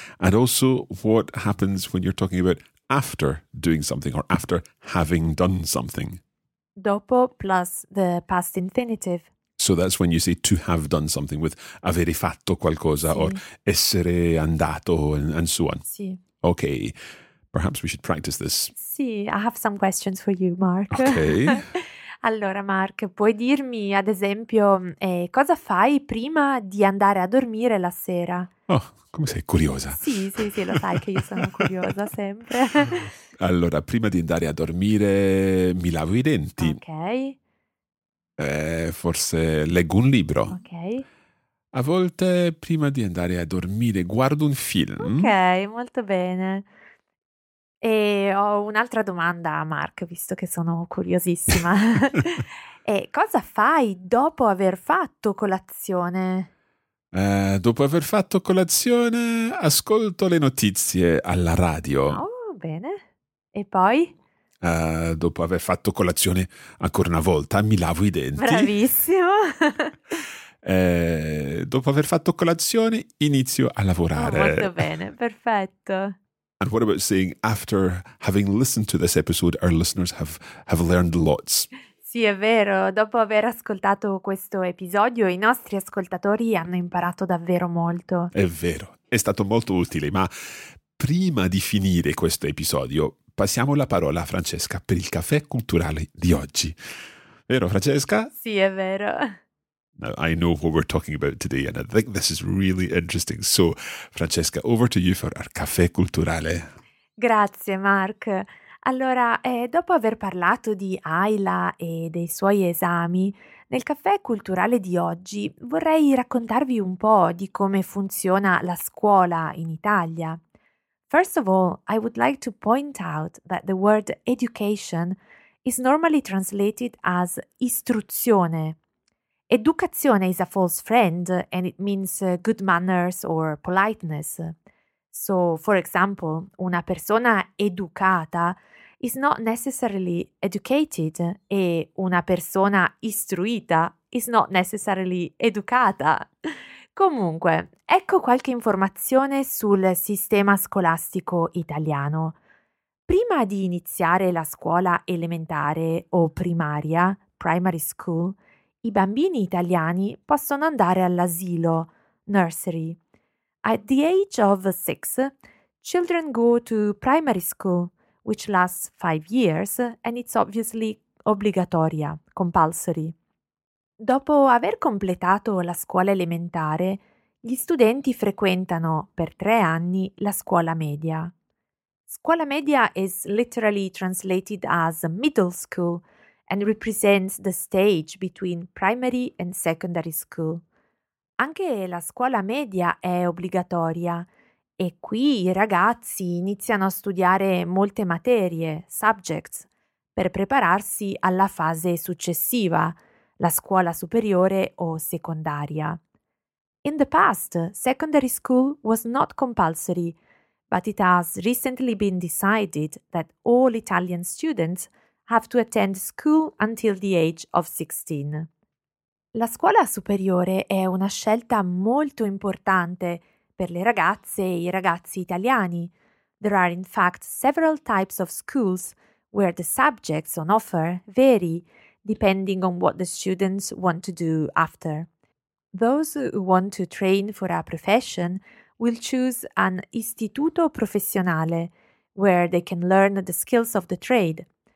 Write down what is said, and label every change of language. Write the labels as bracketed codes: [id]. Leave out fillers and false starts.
[en] And also what happens when you're talking about after doing something or after having done something? Dopo plus the past infinitive. So that's when you say to have done something with [it] avere fatto qualcosa si. [en] Or [it] essere andato [en] and so on. [it] Si. [en] Okay. Perhaps we should practice this. Si, I have some questions for you, Mark. Okay. [it] Allora, Mark, puoi dirmi, ad esempio, cosa fai prima di andare a dormire la sera? Oh, come sei curiosa. Sì, lo sai che io sono curiosa sempre. Allora, prima di andare a dormire mi lavo i denti. Ok. Forse leggo un libro. Ok. A volte prima di andare a dormire guardo un film. Ok, molto bene. E ho un'altra domanda, Mark, visto che sono curiosissima. E cosa fai dopo aver fatto colazione? Dopo aver fatto colazione ascolto le notizie alla radio. Oh, bene. E poi? Dopo aver fatto colazione ancora una volta mi lavo i denti. Bravissimo. Dopo aver fatto colazione inizio a lavorare. Oh, molto bene, perfetto. [en] And what about saying after having listened to this episode, our listeners have learned lots? [it] Sì, è vero. Dopo aver ascoltato questo episodio, i nostri ascoltatori hanno imparato davvero molto. È vero. È stato molto utile. Ma prima di finire questo episodio, passiamo la parola a Francesca per il caffè culturale di oggi. Vero, Francesca? Sì, è vero. [en] Now, I know what we're talking about today, and I think this is really interesting. So, Francesca, over to you for our caffè culturale. [it] Grazie, Mark. Allora, dopo aver parlato di Ayla e dei suoi esami, nel caffè culturale di oggi vorrei raccontarvi un po' di come funziona la scuola in Italia. [en] First of all, I would like to point out that the word education is normally translated as istruzione. Educazione is a false friend and it means good manners or politeness. So, for example, [it] una persona educata [en] is not necessarily educated [it] e una persona istruita [en] is not necessarily educata. [it] Comunque, ecco qualche informazione sul sistema scolastico italiano. Prima di iniziare la scuola elementare o primaria, [en] primary school, [it] i bambini italiani possono andare all'asilo, nursery. [en] At the age of 6, children go to primary school, which lasts 5 years, and it's obviously obbligatoria, compulsory. [it] Dopo aver completato la scuola elementare, Gli studenti frequentano per 3 anni la scuola media. [en] Scuola media is literally translated as middle school and represents the stage between primary and secondary school. [it] Anche la scuola media è obbligatoria e qui i ragazzi iniziano a studiare molte materie, subjects, per prepararsi alla fase successiva, la scuola superiore o secondaria. [en] In the past, secondary school was not compulsory, but it has recently been decided that all Italian students have to attend school until the age of 16. [it] La scuola superiore è una scelta molto importante per le ragazze e i ragazzi italiani. [en] There are in fact several types of schools where the subjects on offer vary depending on what the students want to do after. Those who want to train for a profession will choose an istituto professionale where they can learn the skills of the trade.